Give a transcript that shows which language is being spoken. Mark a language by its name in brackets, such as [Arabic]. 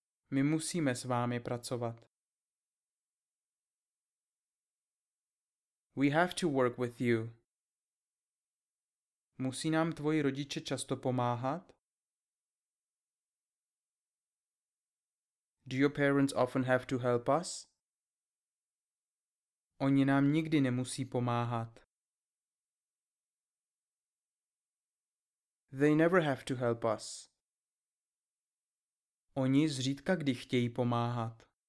[Czech] My musíme s vámi pracovat. [English] We have to work with you. [Czech] Musí nám tvoji rodiče často pomáhat? [English] Do your parents often have to help us? [Czech] Oni nám nikdy nemusí pomáhat. [English] They never have to help us. [Czech] Oni zřídka kdy chtějí pomáhat.